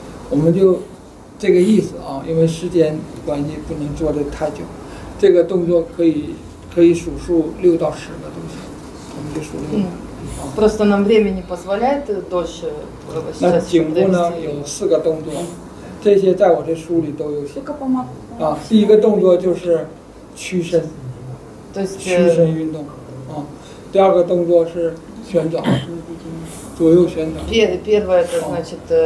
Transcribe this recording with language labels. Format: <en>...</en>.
<zh>我们就这个意思啊，因为时间关系不能做得太久，这个动作可以数数六到十个东西，我们就数六个。</zh> <ru>просто нам времени позволяет дольше.</ru> <zh>那颈部呢有四个动作，这些在我这书里都有写。啊，第一个动作就是屈身，屈身运动啊。第二个动作是旋转。左右旋转。</zh> <ru>Первое это значит.</ru>